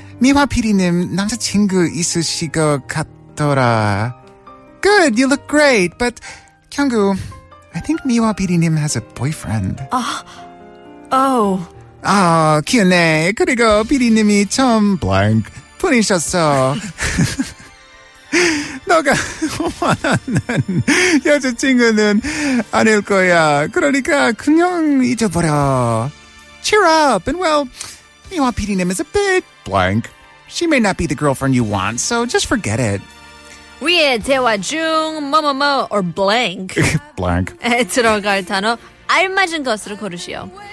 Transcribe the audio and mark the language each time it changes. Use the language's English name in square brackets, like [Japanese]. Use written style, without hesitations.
[Korean] 미화 PD님 남자친구 있으실 것 같더라. [English] Good, you look great. But, 경구, I think 미화 PD님 has a boyfriend. Oh, [Korean] 기운해. 그리고 PD님이 처음 blank 분이셨어. 너가 원하는 여자친구는 아닐 거야. 그러니까 그냥 잊어버려. [English] Cheer up. And well, 미화 PD님 is a bit blank. She may not be the girlfriend you want, so just forget it. [Korean] 위에 대화 중 뭐뭐뭐 or blank. [English] Blank. [Korean] 들어갈 단어 알맞은 것으로 고르시오.